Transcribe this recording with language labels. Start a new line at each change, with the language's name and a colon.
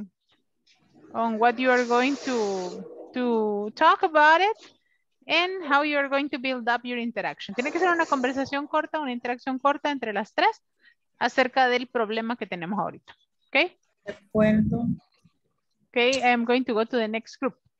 English: Decide on what you are going to talk about it. And how you are going to build up your interaction.
Spanish: Tiene que ser una conversación corta, una interacción corta entre las tres acerca del problema que tenemos ahorita.
English: Okay?
Spanish: De acuerdo.
English: Okay, I'm going to go to the next group.